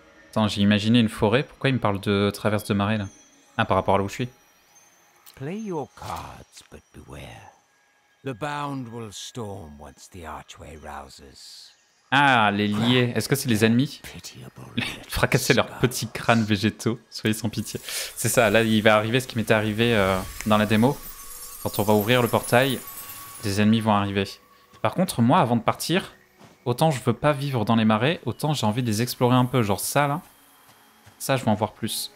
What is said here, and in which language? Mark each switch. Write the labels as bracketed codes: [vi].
[fr] Attends, j'ai imaginé une forêt. Pourquoi il me parle de traverse de marée, là? Ah, par rapport à là où je suis. [en] Play your cards, but beware. The bound will storm once the archway rouses. [fr] Ah, les liés. Est-ce que c'est les ennemis? Fracasser leurs petits crânes végétaux. Soyez sans pitié. C'est ça, là, il va arriver ce qui m'était arrivé dans la démo. Quand on va ouvrir le portail, des ennemis vont arriver. Par contre, moi, avant de partir... Autant je veux pas vivre dans les marais, autant j'ai envie de les explorer un peu, genre ça là. Ça, je veux en voir plus.